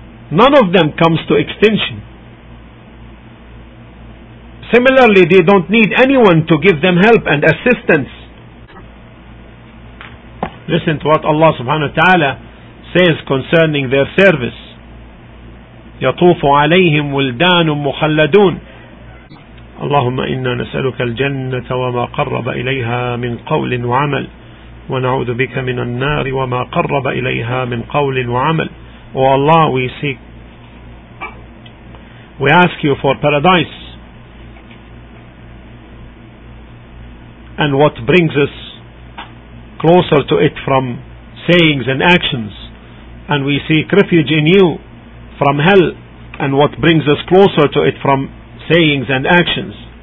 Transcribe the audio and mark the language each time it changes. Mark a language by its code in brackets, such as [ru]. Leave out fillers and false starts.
[en] None of them comes to extinction. Similarly, they don't need anyone to give them help and assistance. Listen to what Allah subhanahu wa ta'ala says concerning their service. [ar] يَطُوفُ عَلَيْهِمْ وَلْدَانٌ مُخَلَّدُونَ اللهم إنا نسألك الجنة وما قرب إليها من قول وعمل ونعوذ بك من النار وما قرب إليها من قول وعمل. [en] O Allah, we ask you for paradise and what brings us closer to it from sayings and actions, and we seek refuge in you from hell and what brings us closer to it from sayings and actions.